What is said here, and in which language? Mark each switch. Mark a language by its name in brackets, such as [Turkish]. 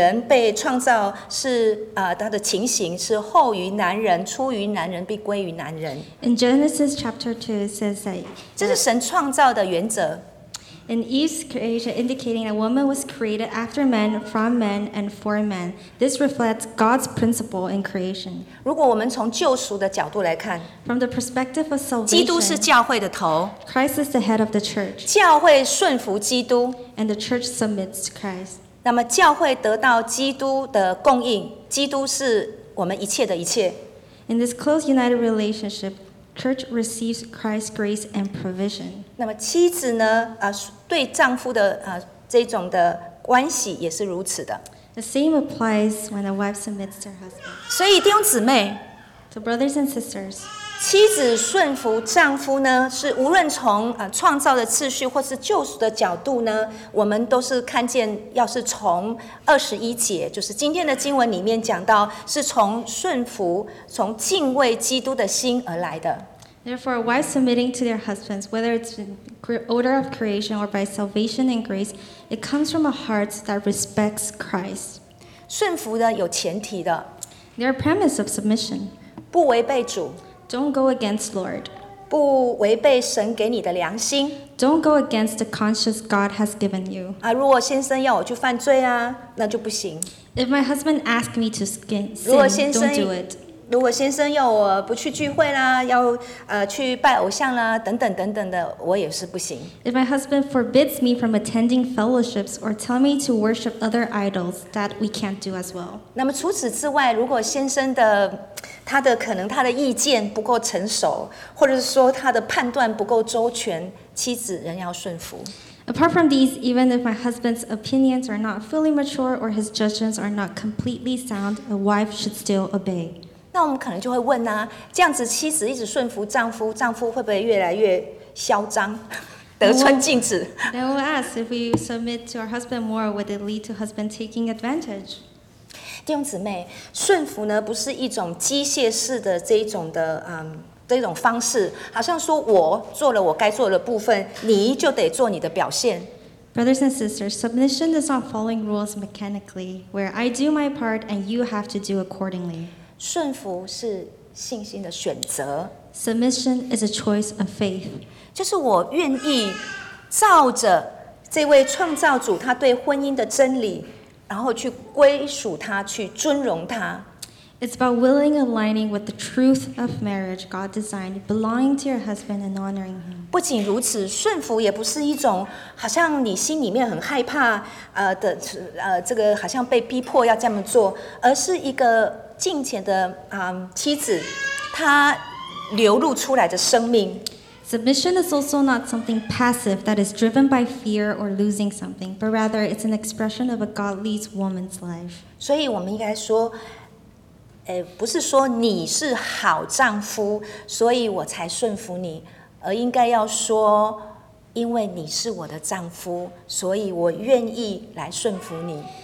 [Chinese] 在创世纪第二章中讲到女人被创造是, 她的情形是后于男人,出于男人,必归于男人。 [English] In Genesis chapter 2, it says that [Chinese] 这是神创造的原则。 [English] In East Asia, indicating that woman was created after men, from men, and for men. This reflects God's principle in creation. [Chinese] 如果我们从救赎的角度来看, [English] from the perspective of salvation, [Chinese] 基督是教会的头, [English] Christ is the head of the church. [Chinese] 教会顺服基督, [English] and the church submits to Christ. [Chinese] 那么教会得到基督的供应, 基督是我们一切的一切。 [English] In this close united relationship, church receives Christ's grace and provision. [Chinese] 那么妻子呢, 对丈夫的, 这种的关系也是如此的。 [English] The same applies when a wife submits to her husband. [Chinese] 所以弟兄姊妹, [English] so brothers and sisters, [Chinese] 妻子顺服丈夫呢，是无论从创造的次序或是救赎的角度呢，我们都是看见，要是从二十一节，就是今天的经文里面讲到，是从顺服、从敬畏基督的心而来的。 [English] Therefore, wives submitting to their husbands, whether it's in order of creation or by salvation and grace, it comes from a heart that respects Christ. [Chinese] 顺服的有前提的。 [English] There are premise of submission. [Chinese] 不违背主。 [English] Don't go against Lord. [Chinese] 不违背神给你的良心。 [English] Don't go against the conscience God has given you. [Chinese] 啊，如果先生要我去犯罪啊，那就不行。 [English] If my husband asks me to sin, don't do it. [Chinese] 如果先生要我不去聚会啦，要去拜偶像啦，等等等等的，我也是不行。 [English] If my husband forbids me from attending fellowships or tell me to worship other idols, that we can't do as well. [Chinese] 那么除此之外，如果先生的他的可能他的意见不够成熟，或者是说他的判断不够周全，妻子仍要顺服。 [English] Apart from these, even if my husband's opinions are not fully mature or his judgments are not completely sound, a wife should still obey. [Chinese] 那我们可能就会问啊，这样子妻子一直顺服丈夫，丈夫会不会越来越嚣张，得寸进尺 [English] ？Then we ask if we submit to our husband more, would it lead to husband taking advantage? [Chinese] 弟兄姊妹，顺服呢不是一种机械式的这一种的这种方式，好像说我做了我该做的部分，你就得做你的表现。 [English] Brothers and sisters, submission is not following rules mechanically, where I do my part and you have to do accordingly. [Chinese] 顺服是信心的选择。 [English] Submission is a choice of faith. [Chinese] 就是我愿意照着这位创造主他对婚姻的真理，然后去归属他，去尊荣他。 [English] It's about willing aligning with the truth of marriage God designed, belonging to your husband and honoring him. [Chinese] 不仅如此，顺服也不是一种好像你心里面很害怕这个好像被逼迫要这么做，而是一个。敬虔的妻子，她流露出来的生命。 [English] Submission is also not something passive that is driven by fear or losing something, but rather it's an expression of a godly woman's life. [Chinese] 所以我们应该说，不是说你是好丈夫，所以我才顺服你，而应该要说，因为你是我的丈夫，所以我愿意来顺服你。